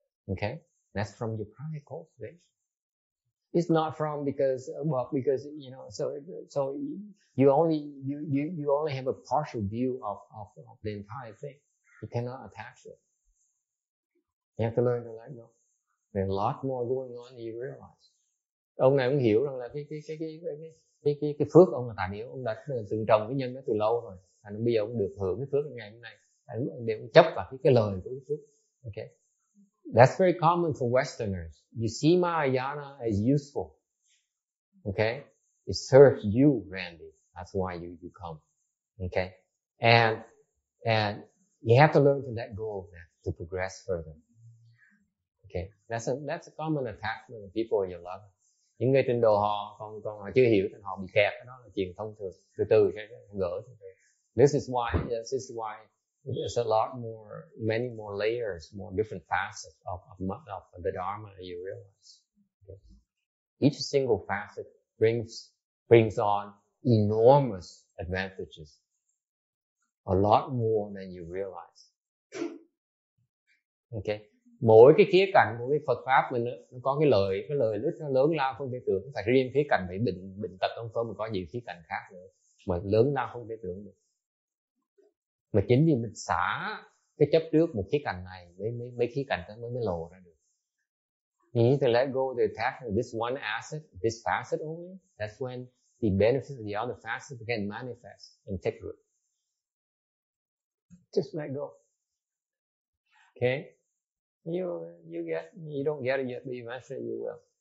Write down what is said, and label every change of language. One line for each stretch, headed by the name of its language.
English: Okay, that's from your prior cultivation. It's not from because you know so you only have a partial view of the entire thing. You cannot attach it. You have to learn to let go. There's a lot more going on than you realize.
Vietnamese: Ông này cũng hiểu rằng là cái phước ông là tại vì ông đã từng trồng cái nhân đó từ lâu rồi, thành bây giờ ông được hưởng cái phước ngày hôm nay. Để ông chấp vào cái lời của cái phước.
English: Okay. That's very common for Westerners. You see Mahayana as useful. Okay? It serves you, Randy. That's why you come. Okay? And you have to learn to let go of that to progress further. Okay? That's a common attachment of people in your life.
Vietnamese: Những người trình độ họ còn họ chưa hiểu, họ bị kẹt, đó là chuyện thông thường. Từ từ sẽ gỡ.
English: This is why there's a lot more, many more layers, more different facets of the Dharma you realize. Okay. Each single facet brings on enormous advantages. A lot more than you realize. Okay.
Vietnamese: Mỗi cái khía cạnh của cái Phật pháp mình nó có cái lợi ích nó lớn lao không thể tưởng. Phải riêng khía cạnh bị bệnh tật không thôi, mà có nhiều khía cạnh khác nữa mà lớn lao không thể tưởng được. Mà chính vì mình xả cái chấp trước một khía cạnh này mấy khía cạnh đó mới lộ ra được.
English: You need to let go the attachment of this one asset, this facet only. That's when the benefits of the other facets can manifest and take root. Just let go. Okay? You don't get it yet, but eventually you will.